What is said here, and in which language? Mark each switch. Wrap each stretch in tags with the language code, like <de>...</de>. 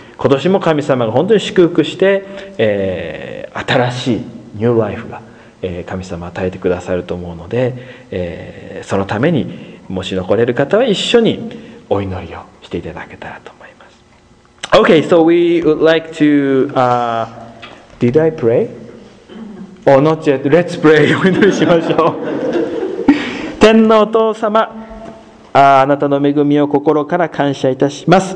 <ja>今年も神様が本当に祝福して、新しい new life が、神様与えてくださると思うので、そのためにもし残れる方は一緒にお祈りをしていただけたらと思います。</ja> <en>Okay, so we would like to. Did I pray?</en> <ja>おのちえ、レッツプレイ、お祈りしましょう。天のお父様、あなたの恵みを心から感謝いたします。</ja>